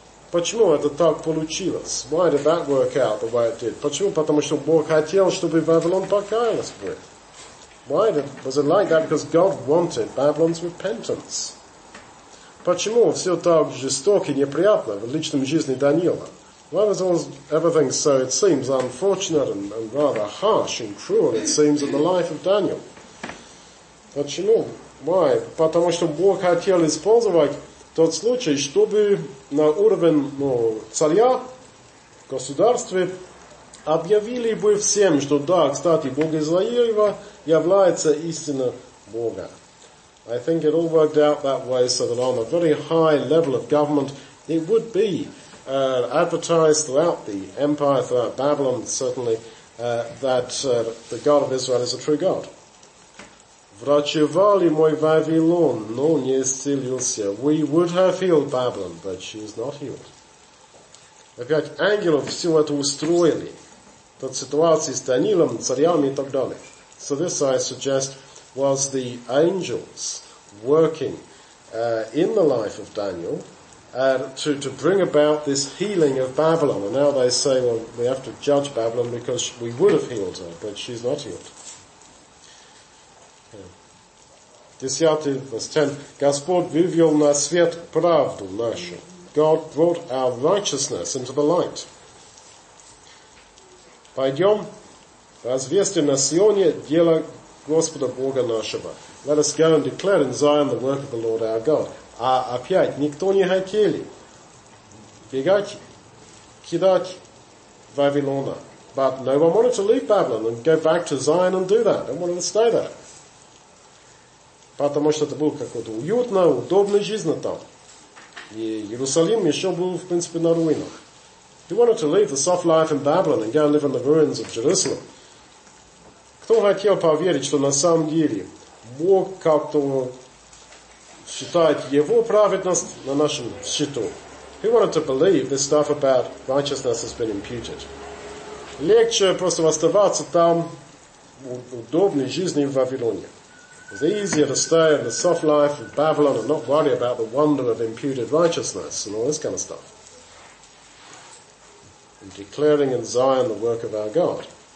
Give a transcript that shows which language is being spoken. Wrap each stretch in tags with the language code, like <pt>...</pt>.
<ru>Почему это так получилось?</ru> <en>Why did that work out the way it did?</en> <ru>Почему? Потому что Бог хотел, чтобы Вавилон покаялась бы.</ru> <en>Why was it like that? Because God wanted Babylon's repentance.</en> <ru>Почему все так жестоко и неприятно в личном жизни Даниила?</ru> <en>Why was everything so, it seems, unfortunate and rather harsh and cruel, it seems, in the life of Daniel?</en> <ru>Почему?</ru> <en>Why?</en> <ru>Потому что Бог хотел использовать тот случай, чтобы на уровень царя, государстве, объявили бы всем, что да, кстати, Бог Израилева является истинно Бога.</ru> <en>I think it all worked out that way, so that on a very high level of government, it would be advertised throughout the empire, throughout Babylon, certainly, that the God of Israel is a true God.</en> <ru>Врачевали мой Вавилон, но не исцелился.</ru> <en>We would have healed Babylon, but she is not healed.</en> <ru>Опять ангелов все это устроили. Тот ситуации с Даниилом, царями и так далее.</ru> <en>So this, I suggest, was the angels working in the life of Daniel to bring about this healing of Babylon. And now they say, well, we have to judge Babylon because we would have healed her, but she's not healed.</en> <ru>Десятый,</ru> <en>verse 10.</en> <ru>Господь вывел на свет правду нашу.</ru> <en>God brought our righteousness into the light.</en> <ru>Пойдем, развести на Сионе дело Господа Бога нашего.</ru> <en>Let us go and declare in Zion the work of the Lord our God.</en> <ru>А опять, никто не хотели бегать, кидать Вавилона.</ru> <en>But no one wanted to leave Babylon and go back to Zion and do that. No one wanted to stay there.</en> <ru>Потому что это было какое-то уютное, удобное жизнь там. И Иерусалим еще был, в принципе, на руинах.</ru> <en>He wanted to leave the soft life in Babylon and go and live in the ruins of Jerusalem.</en> <ru>Кто хотел поверить, что на самом деле Бог как-то считает его праведность на нашем счету.</ru> <en>Who wanted to believe this stuff about righteousness has been imputed?</en> <ru>Легче просто оставаться там в удобной жизни в Вавилоне.</ru> <en>It's easier to stay in the soft life of Babylon and not worry about the wonder of imputed righteousness and all this kind of stuff. And declaring in Zion the work of our God.</en>